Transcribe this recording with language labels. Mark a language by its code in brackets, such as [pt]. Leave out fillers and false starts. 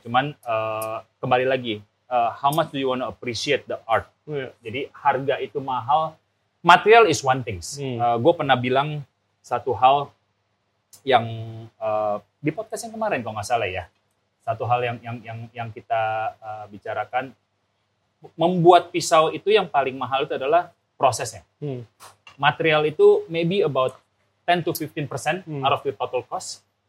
[id] Cuman kembali lagi, [en] how much do you want to appreciate the art? [id] Jadi harga itu mahal. [en] Material is one thing. [id] Gue pernah bilang satu hal yang di podcast yang kemarin kalau nggak salah ya, satu hal yang kita bicarakan, membuat pisau itu yang paling mahal itu adalah prosesnya. [en] Material [id] itu [en] maybe about 10-15% out of the total cost.